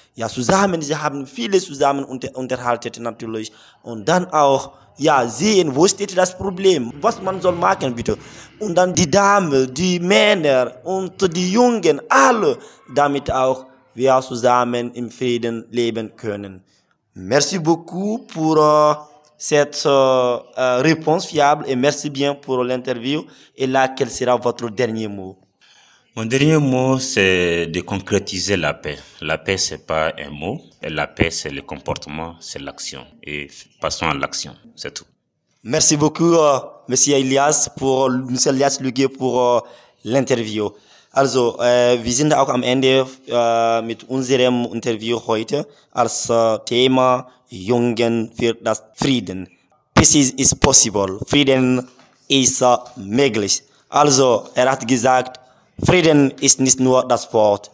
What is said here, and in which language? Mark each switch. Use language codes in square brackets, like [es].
[de] Ja, zusammen, sie haben viele zusammen unterhalten natürlich. Und dann auch, ja, sehen, wo steht das Problem, was man soll machen, bitte. Und dann die Damen, die Männer und die Jungen, alle, damit auch wir zusammen im Frieden leben können. [fr] Merci beaucoup pour cette réponse fiable et merci bien pour l'interview. Et là, quel sera votre dernier mot? Mon dernier mot, c'est de concrétiser la paix. La paix, c'est pas un mot. Et la paix, c'est le comportement, c'est l'action. Et passons à l'action, c'est tout. Merci beaucoup, Monsieur Elias Luguet, pour l'interview. [de] Also, wir sind auch am Ende mit unserem Interview heute als Thema Jungen für das Frieden. [en] Peace is possible. [de] Frieden ist möglich. Also, hat gesagt, Frieden ist nicht nur das Wort.